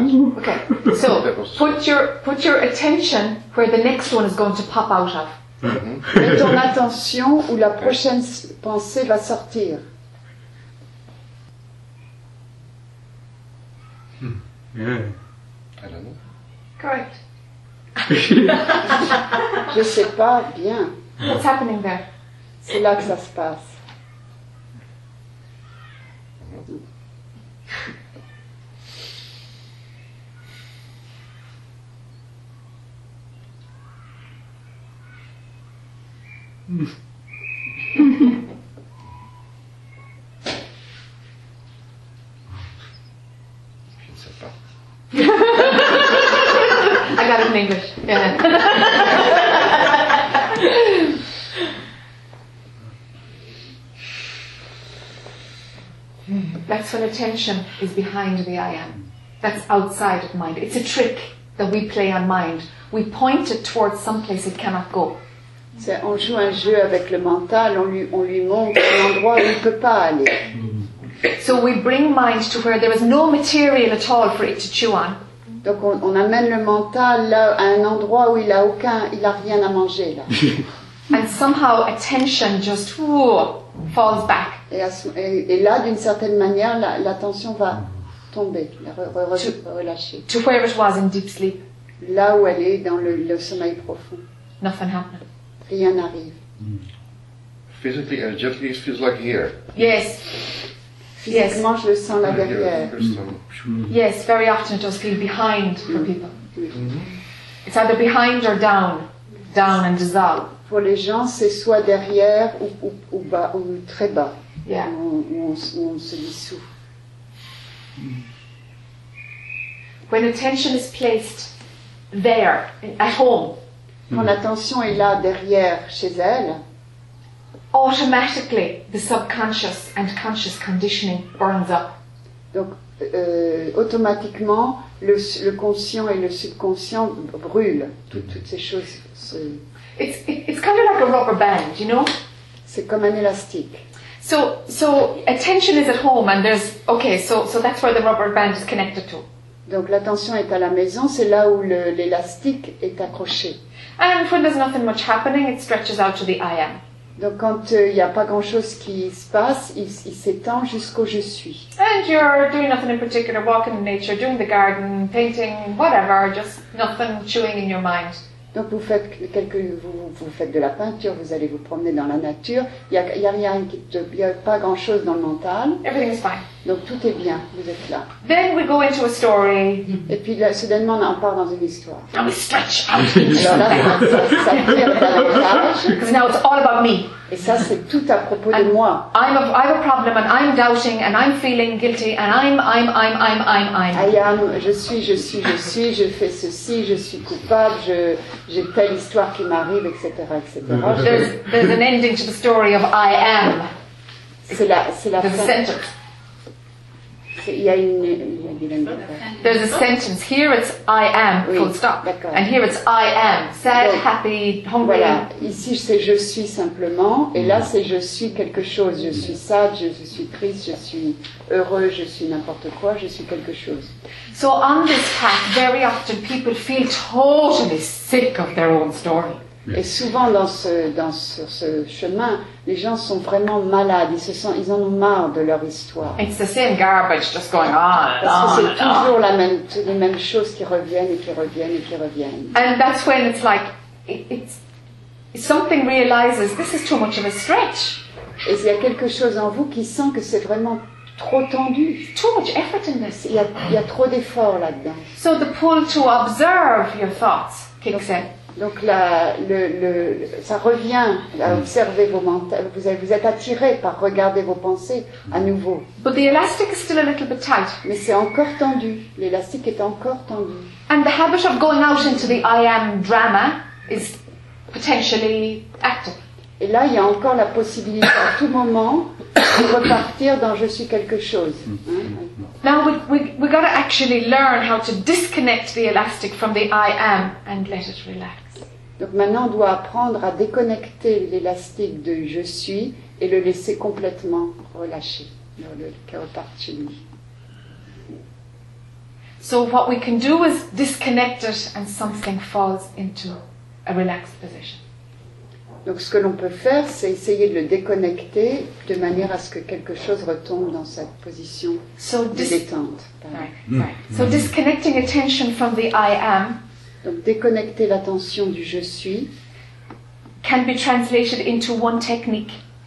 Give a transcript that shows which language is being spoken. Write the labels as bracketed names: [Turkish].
[English] Okay, so, put your attention where the next one is going to pop out of. Mm-hmm. [French] Mets ton attention où la prochaine pensée va sortir. [English] Yeah. I don't know. Correct. [French] Je sais pas bien. [English] What's happening there? [French] C'est là que ça se passe. Je ne sais pas. [English] I got it in English. Yeah. That's when attention is behind the I am. That's outside of mind. It's a trick that we play on mind. We point it towards someplace it cannot go. [French] C'est, on joue un jeu avec le mental, on lui montre un endroit où il ne peut pas aller. [English] So we bring mind to where there is no material at all for it to chew on. [French] Donc on amène le mental là, à un endroit où il a rien à manger là. [English] And somehow attention just falls back. [French] Et là, d'une certaine manière, l'attention va tomber, relâcher. [English] To where it was in deep sleep. [French] Là où elle est dans le sommeil profond. [English] Nothing happened. [French] Rien n'arrive. [English] Physically, energetically, it feels like here. Yes. [French] physiquement, je le sens là derrière. [English] Yes, very often it does feel behind for people. It's either behind or down, down and dissolve. [French] Pour les gens, c'est soit derrière ou bas ou très bas. [English] Yeah. [French] On se dissout. [English] When attention is placed there, at home. [French] Quand l'attention est là, derrière, chez elle. [English] Automatically, the subconscious and conscious conditioning burns up. [French] Donc, automatiquement, le conscient et le subconscient brûlent. Toutes ces choses. [English] It's kind of like a rubber band, you know? [French] C'est comme un élastique. [English] So attention is at home and there's okay, so that's where the rubber band is connected to. [French] Donc l'attention est à la maison, c'est là où l'élastique est accroché. [English] And when there's nothing much happening, it stretches out to the I am. [French] Donc quand il n'y a pas grand chose qui se passe, il s'étend jusqu'au je suis. [English] And you're doing nothing in particular, walking in nature, doing the garden, painting, whatever, just nothing chewing in your mind. [French] Donc vous faites vous faites de la peinture, vous allez vous promener dans la nature. Il y a rien qui te, il y a pas grand chose dans le mental. [English] Everything is fine. [French] Donc tout est bien, vous êtes là. [English] Then we go into a story. [French] Et puis là, soudainement on part dans une histoire. [English] And we stretch. [French] Alors là ça [English] now it's all about me. [French] Et ça c'est tout à propos de moi. [English] I have a problem and I'm doubting and I'm feeling guilty and I am. [French] Je suis, je fais ceci, je suis coupable, j'ai telle histoire qui m'arrive, etc., etc. [English] There's an ending to the story of I am. [French] C'est la [English] fin. There's a sentence. There's a sentence. Here it's I am. [French] Oui, [English] full stop. [French] D'accord. [English] And here it's I am. Sad, oui. Happy, hungry. [French] Voilà. Ici c'est je suis simplement. Et là c'est je suis quelque chose. Je suis sad, je suis triste, je suis heureux, je suis n'importe quoi, je suis quelque chose. [English] So on this path, very often people feel totally sick of their own story. [French] Et souvent dans ce chemin, les gens sont vraiment malades. Ils en ont marre de leur histoire. [English] It's the same garbage just going on. [French] Parce que c'est on toujours la même, les mêmes choses qui reviennent et qui reviennent et qui reviennent. [English] And that's when it's like it's something realizes this is too much of a stretch. [French] Et il y a quelque chose en vous qui sent que c'est vraiment trop tendu. [English] Too much effort in this. [French] Il y a trop d'efforts là-dedans. [English] So the pull to observe your thoughts kicks in. [French] Donc ça revient à observer vos mentales. Vous êtes attiré par regarder vos pensées à nouveau. [English] But the elastic is still a little bit tight. [French] Mais c'est encore tendu. L'élastique est encore tendu. [English] And the habit of going out into the I am drama is potentially active. [French] Et là, il y a encore la possibilité à tout moment de repartir dans je suis quelque chose. [English] Now we got to actually learn how to disconnect the elastic from the I am and let it relax. [French] Donc maintenant on doit apprendre à déconnecter l'élastique de je suis et le laisser complètement relâcher, le repartir. [English] So what we can do is disconnect it and something falls into a relaxed position. [French] Donc ce que l'on peut faire, c'est essayer de le déconnecter de manière à ce que quelque chose retombe dans sa position de détente. [English] So disconnecting attention from the I am. [French] Donc déconnecter l'attention du je suis. [English] Can be translated into one technique.